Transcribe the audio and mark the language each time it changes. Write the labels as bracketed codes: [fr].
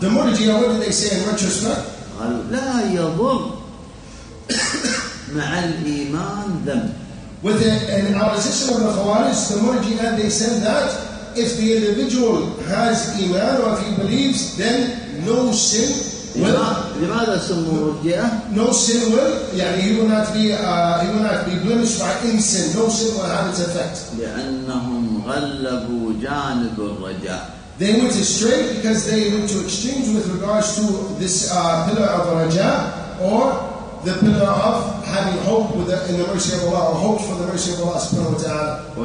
[en] The Murji'ah, what did they say in retrospect? [ar] قالوا لا يضر مع الإيمان ذنب. [en] With an opposition of the Khawarij, the Murji'ah, they said that if the individual has iman or if he believes, then no sin will. [ar] لماذا سموا مرجئة؟ [en] No sin will. يعني he will not be blemished by any sin. No sin will have its effect. [ar] لأنهم غلبوا جانب الرجاء. [en] They went astray because they went to exchange with regards to this pillar of Raja or the pillar of having hope with in the mercy of Allah or hope for the mercy of Allah subhanahu wa ta'ala.